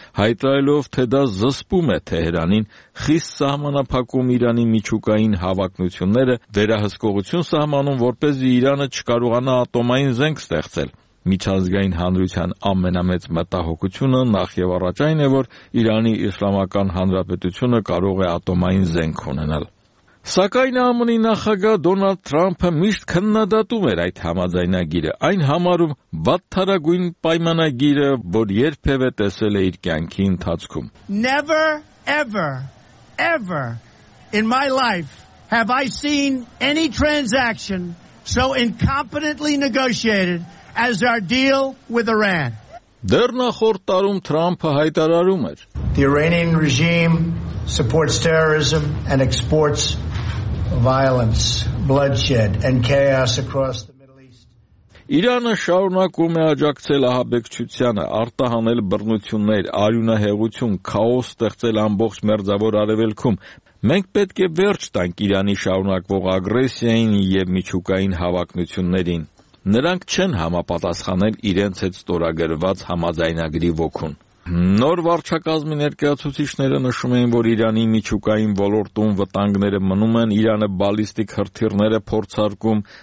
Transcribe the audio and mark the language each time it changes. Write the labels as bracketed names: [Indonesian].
[Armenian] հայտարարելով, թե դա զսպում է Թեհրանին խիստ սահմանափակում Իրանի միջուկային հավակնությունները, վերահսկողություն սահմանում, որպեսզի Իրանը չկարողանա ատոմային զենք ստեղծել։ Միջազգային հանրության ամենամեծ մտահոգությունը նախ եւ առաջ այն է, որ Իրանի Իսլամական Հանրապետությունը կարող է ատոմային զենք ունենալ։ Սակայն ԱՄՆ-ի նախագահ Դոնալդ Թրամփը միշտ քննադատում էր այդ համաձայնագիրը, այն համարում վատթարագույն պայմանագիրը, որ երբևէ տեսել է իր կյանքի ընթացքում։ [English] Never ever ever in my life have I seen any transaction so incompetently negotiated as our deal with Iran. [Armenian] Դեռ նախորդ տարում Թրամփը հայտարարում էր. [English] The Iranian regime supports terrorism and exports violence, bloodshed and chaos across the Middle East. [Armenian] Իրանը շարունակում է աջակցել ահաբեկչությանը, արտահանել բռնություններ, արյունահեղություն, քաոս ստեղծել ամբողջ մերձավոր արևելքում։ Մենք պետք է վերջ տանք Իրանի շարունակվող ագրեսիային եւ միջուկային հավակնություններին։ Նրանք չեն համապատասխանել իրենց հետ ստորագրված համաձայնագրի ոգուն։ Նոր վարչակազմի ներկայացուցիչները նշում էին, որ Իրանի միջուկային ոլորտում վտանգները մնում են, Իրանը բալիստիկ հրթիռները փորձարկում,